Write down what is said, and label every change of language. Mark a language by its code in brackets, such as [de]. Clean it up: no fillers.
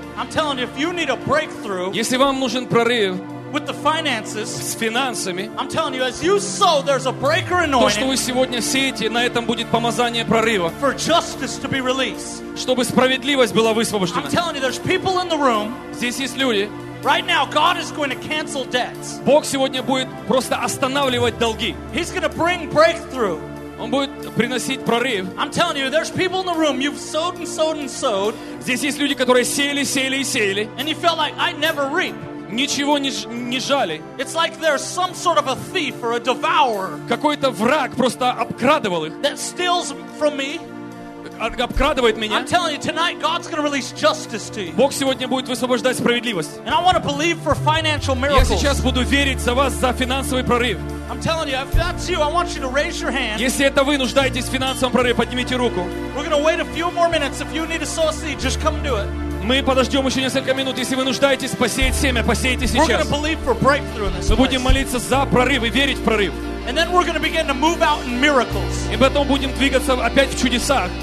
[en] I'm telling you, if you need a breakthrough, [ru] если вам нужен прорыв [en] with the finances, [ru] с финансами, [en] I'm telling you, as you sow, there's a breaker anointing, [ru] то, что вы сегодня сеете, на этом будет помазание прорыва, [en] for justice to be released. [ru] Чтобы справедливость была высвобождена. [en] I'm telling you, there's people in the room, [ru] здесь есть люди. [en] Right now, God is going to cancel debts. [ru] Бог сегодня будет просто останавливать долги. [en] He's going to bring breakthrough. [ru] Он будет приносить прорыв. [en] I'm telling you, there's people in the room. You've sowed and sowed and sowed. [ru] Здесь есть люди, которые сеяли, сеяли и сеяли. [en] And you felt like I never reap. [ru] Ничего не, не жали. [en] It's like there's some sort of a thief or a devourer. [ru] Какой-то враг просто обкрадывал их. [en] That steals from me. [ru] Обкрадывает меня. [en] I'm telling you, tonight God's going to release justice to you. [ru] Бог сегодня будет высвобождать справедливость. [en] And I want to believe for financial miracles. [ru] Я сейчас буду верить за вас за финансовый прорыв. [en] I'm telling you, if that's you, I want you to raise your hand. [ru] Если это вы нуждаетесь в финансовом прорыве, поднимите руку. [en] We're going to wait a few more minutes. If you need to sow seed, just come do it. [ru] Мы подождем еще несколько минут. Если вы нуждаетесь посеять семя, посеете сейчас. [en] We're going to believe for breakthrough in this place. [ru] Мы будем молиться за прорыв и верить в прорыв. [en] And then we're going to begin to move out in miracles. [ru] И потом будем двигаться опять в чудесах.